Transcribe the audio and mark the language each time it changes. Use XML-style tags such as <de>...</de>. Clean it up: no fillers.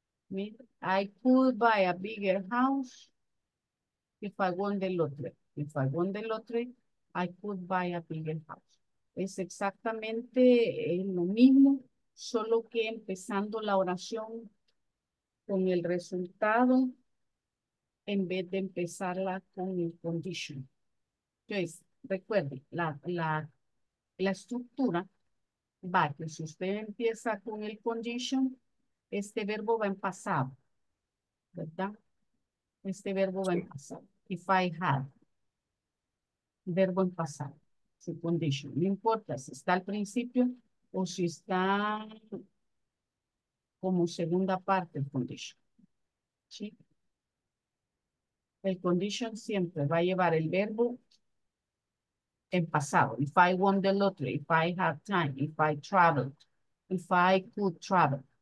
<en>I could buy a bigger house if I won the lottery. If I won the lottery, I could buy a bigger house.</en> <es>Es exactamente lo mismo, solo que empezando la oración con el resultado en vez de empezarla con el condition. Entonces, recuerde, la estructura va, que si usted empieza con el condition, este verbo va en pasado, ¿verdad? Este verbo va en pasado.</es> <en>If I had,</en> <es>verbo en pasado, su condition. No importa si está al principio o si está como segunda parte el condition. ¿Sí? El condition siempre va a llevar el verbo en pasado.</es> <en>If I won the lottery, if I had time, if I traveled, if I could travel.</en>